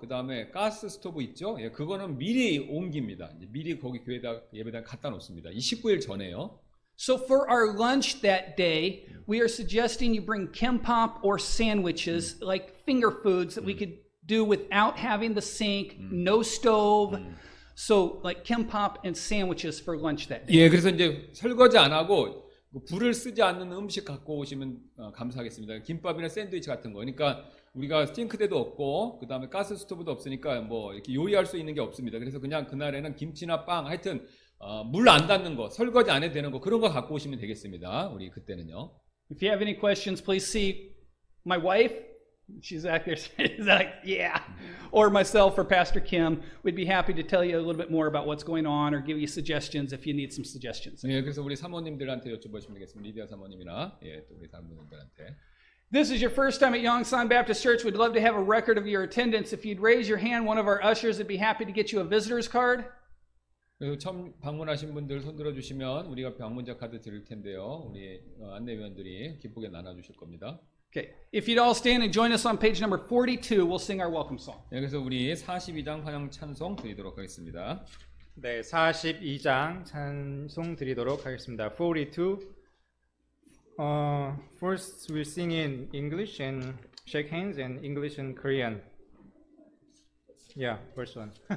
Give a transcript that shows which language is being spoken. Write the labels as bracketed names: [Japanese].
[Korean] 그다음에 가스 스토브 있죠? 예, 그거는 미리 옮깁니다. 이제 미리 거기 교회다 예배당 갖다 놓습니다. 29일 전에요. [English] So for our lunch that day, we are suggesting you bring kimbap or sandwiches like finger foods that we could do without having the sink, no stove. So like kimbap and sandwiches for lunch that day. [Korean] 예, 그래서 이제 설거지 안 하고 불을 쓰지 않는 음식 갖고 오시면 감사하겠습니다. 김밥이나 샌드위치 같은 거. 그러니까 우리가 싱크대도 없고 그다음에 가스 스토브도 없으니까 뭐 이렇게 요리할 수 있는 게 없습니다. 그래서 그냥 그날에는 김치나 빵 하여튼 물 안 닿는 거, 설거지 안 해도 되는 거 그런 거 갖고 오시면 되겠습니다. 우리 그때는요. [English] If you have any questions, please see my wife. She's out there. She's like, yeah. Or myself or Pastor Kim. We'd be happy to tell you a little bit more about what's going on or give you suggestions if you need some suggestions. [Korean] 예, 그래서 우리 사모님들한테 여쭤보시면 되겠습니다. 리디아 사모님이나 예, 또 우리 다른 분들한테. [English] This is your first time at Yongsan Baptist Church. We'd love to have a record of your attendance. If you'd raise your hand, one of our ushers would be happy to get you a visitor's card. [Korean] 처음 방문하신 분들 손 들어주시면 우리가 방문자 카드 드릴 텐데요. 우리 안내위원들이 기쁘게 나눠주실 겁니다. [English] Okay. If you'd all stand and join us on page number 42, we'll sing our welcome song. [Korean] 네, 그래서 우리 42장 환영 찬송 드리도록 하겠습니다. 네, 42장 찬송 드리도록 하겠습니다. 42. [English] First we'll sing in English and shake hands and English and Korean. Yeah, first one.